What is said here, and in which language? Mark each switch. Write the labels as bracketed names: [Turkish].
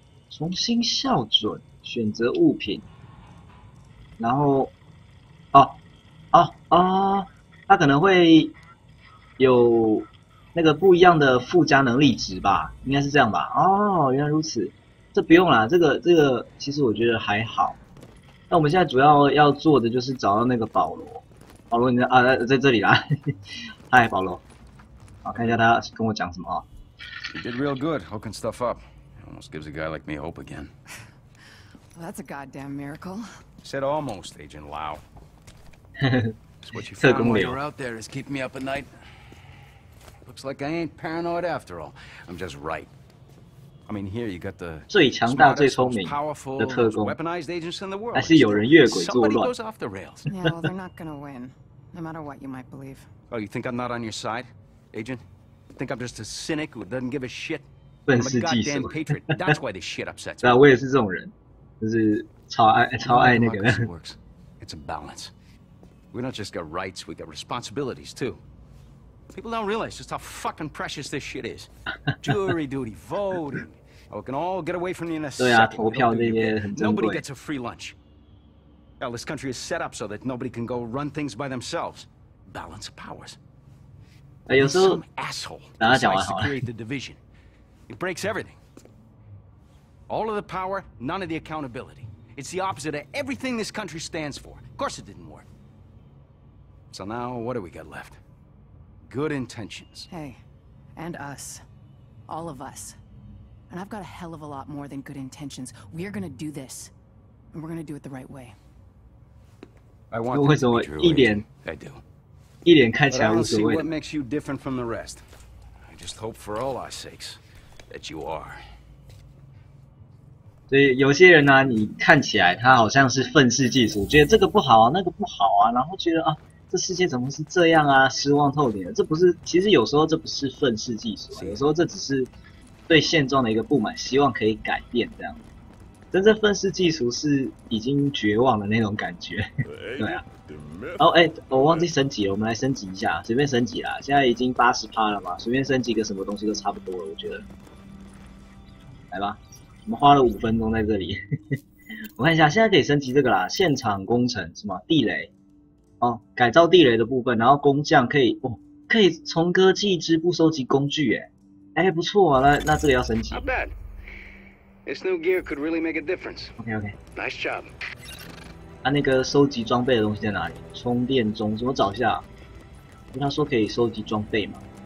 [Chinese] 重新校准，选择物品，然后，他可能会有那个不一样的附加能力值吧？应该是这样吧？哦，原来如此。这不用啦，这个其实我觉得还好。那我们现在主要做的就是找到那个保罗。保罗你在这里啦。嗨保罗。好，看一下他跟我讲什么。 [English] You did real good, hooking stuff up. Almost gives a guy like me hope again. Well, that's a goddamn miracle. Said almost, Agent Lau. That's what you found while you're out there is keeping me up at night. Looks like I ain't paranoid after all. I'm just right. I mean, here you got the [Chinese] 最强大、最聪明的特工，还是有人越轨作乱？ [English] Yeah, well, they're not gonna win, no matter what you might believe. Oh, you think I'm not on your side, Agent? You think I'm just a cynic who doesn't give a shit? I'm a goddamn patriot. That's why this shit upsets me. [Chinese] 我也是这种人，就是超爱那个人。 [English] It's a balance. We don't just got rights, we got responsibilities too. People don't realize just how fucking precious this shit is. Jury duty, voting. Oh, we can all get away from the NSA. [Chinese] 对啊，投票这些很珍贵。 [English] Nobody gets a free lunch. Now this country is set up so that nobody can go run things by themselves. Balance of powers. [Chinese] 有时候，等他讲完好了。 [English] Create the division. It breaks everything. All of the power, none of the accountability. It's the opposite of everything this country stands for. Of course, it didn't work. So now, what do we got left? Good intentions. Hey, and us, all of us, and I've got a hell of a lot more than good intentions. We are gonna do this, and we're gonna do it the right way. I want. [Chinese] 为什么一脸 [English] I do. [Chinese] 一脸看起来无所谓。 [English] What makes you different from the rest? just hope for all our sakes that you are. [Chinese] 所以有些人呢、啊，你看起来他好像是愤世嫉俗，觉得这个不好、啊，那个不好啊，然后觉得啊，这世界怎么是这样啊，失望透顶。这不是，其实有时候这不是愤世嫉俗、啊，有时候这只是对现状的一个不满，希望可以改变这样。真正愤世嫉俗是已经绝望的那种感觉，对啊。哦，哎、欸，我忘记升级了，我们来升级一下，随便升级啦。现在已经80%了嘛，随便升级个什么东西都差不多了，我觉得。来吧，我们花了5分钟在这里，我看一下，现在可以升级这个啦，现场工程什么地雷，哦，改造地雷的部分，然后工匠可以哦，可以从歌技织布收集工具、欸，哎，哎，不错啊，那这个要升级。 [English] Not bad. This new gear could really make a difference. OK. Nice job. [Chinese] 啊，那个收集装备的东西在哪里？充电中，怎么找一下、啊？因为他说可以收集装备嘛。